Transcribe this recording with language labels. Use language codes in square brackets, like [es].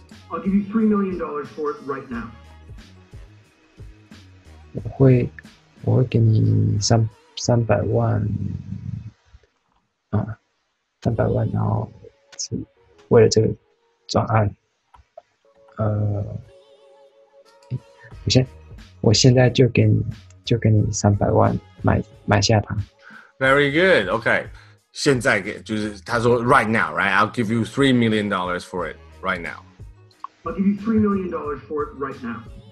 [en] I'll give you $3 million for it right now. [zh] 我会给你三百万啊，三百万，然后是为了这个专案，我现在就给你300万买下它。 [en] Very good. Okay. [zh] 现在给就是他说 [en] right now, right? I'll give you $3 million for it right now. I'll give you $3 million for it right now.